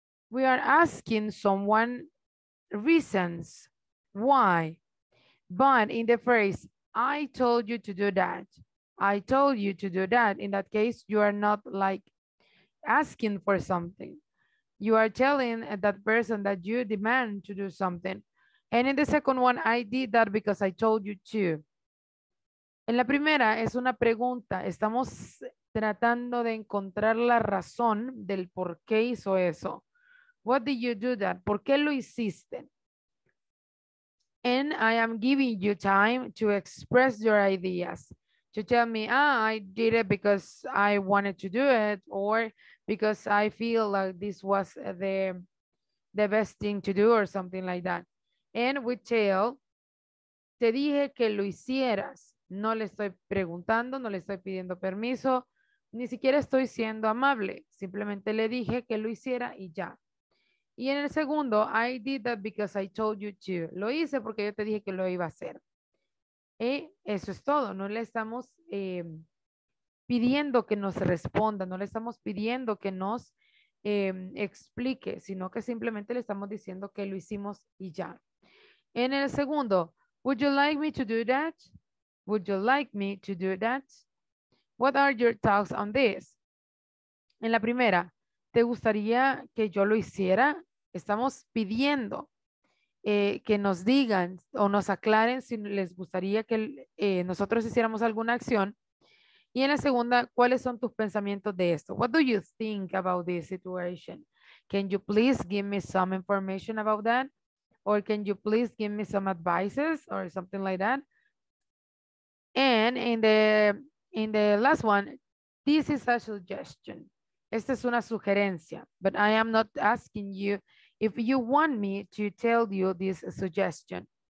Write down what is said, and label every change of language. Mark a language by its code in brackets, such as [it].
[en] We are asking someone reasons why, but in the phrase, I told you to do that. I told you to do that. In that case, you are not like asking for something. You are telling that person that you demand to do something. And in the second one, I did that because I told you to. [es] En la primera es una pregunta. Estamos tratando de encontrar la razón del por qué hizo eso. [en] What did you do that? [es] ¿Por qué lo hiciste? [en] And I am giving you time to express your ideas. To tell me, ah, I did it because I wanted to do it, or because I feel like this was the best thing to do, or something like that. And we tell, [es] te dije que lo hicieras. No le estoy preguntando, no le estoy pidiendo permiso, ni siquiera estoy siendo amable. Simplemente le dije que lo hiciera y ya. Y en el segundo, [en] I did that because I told you to. [es] Lo hice porque yo te dije que lo iba a hacer. Y eso es todo. No le estamos pidiendo que nos responda. No le estamos pidiendo que nos explique, sino que simplemente le estamos diciendo que lo hicimos y ya. En el segundo, [en] would you like me to do that? Would you like me to do that? What are your thoughts on this? [es] En la primera, ¿te gustaría que yo lo hiciera? Estamos pidiendo que nos digan o nos aclaren si les gustaría que nosotros hiciéramos alguna acción. Y en la segunda, ¿cuáles son tus pensamientos de esto? [en] What do you think about this situation? Can you please give me some information about that? Or can you please give me some advices or something like that? And in the last one, this is a suggestion. [es] Esta es una sugerencia, [en] but I am not asking you if you want me to tell you this suggestion.